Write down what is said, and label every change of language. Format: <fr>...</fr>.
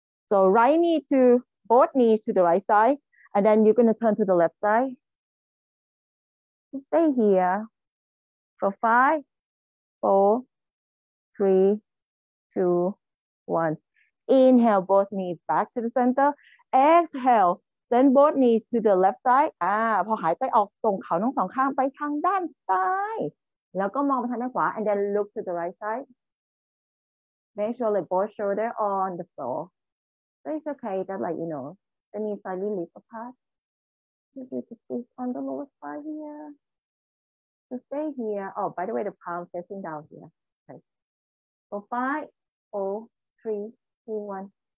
<en>So right knee to both knees to the right side, and then you're gonna turn to the left side. Stay here for 5, 4, 3, 2, 1. Inhale, both knees back to the center. Exhale, send both knees to the left side.</en> <th>พอหายใจออกส่งเข่าทั้งสองข้างไปทางด้านซ้ายแล้วก็มองไปทางด้านขวา</th> <en>and then look to the right side. Make sure that both shoulders are on the floor. But it's okay that like, you know, the knees slightly lift apart. On the lower side here. So stay here. Oh, by the way, the palm facing down here. Okay. So 5, 4, 3, 2, 1.</en>